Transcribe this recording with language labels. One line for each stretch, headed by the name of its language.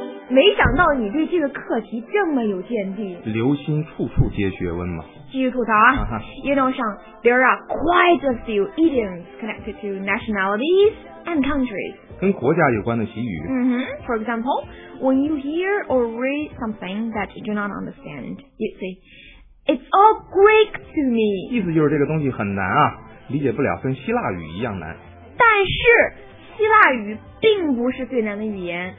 Chinese: 没想到你对这个课题这么有见地，留心处处皆学问嘛。继续吐槽啊、
English: You know, Sean, there are quite a few idioms connected to nationalities and countries.
Chinese: 跟国家有关的习语。 Mm-hmm.
English: For example, when you hear or read something that you do not understand, you say, "It's all Greek to me."
Chinese: 意思就是这个东西很难啊，理解不了，跟希腊语一样难。但是希腊语并不是最难的语言。